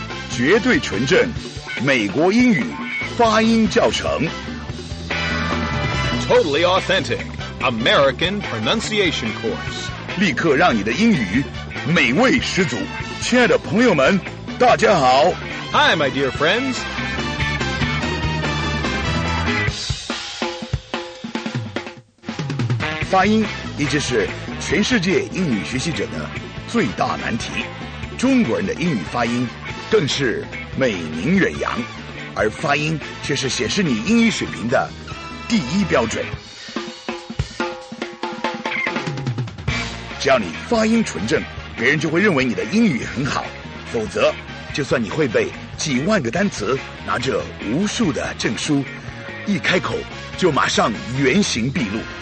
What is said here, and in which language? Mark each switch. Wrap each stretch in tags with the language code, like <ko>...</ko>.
<zh>绝对纯正美国英语发音教程</zh> <en>Totally Authentic American Pronunciation Course</en> <zh>立刻让你的英语美味十足亲爱的朋友们大家好</zh> <en>Hi my dear friends</en> <zh>发音一直是全世界英语学习者的最大难题中国人的英语发音更是美名远扬而发音却是显示你英语水平的第一标准只要你发音纯正别人就会认为你的英语很好否则就算你会背几万个单词拿着无数的证书一开口就马上原形毕露</zh>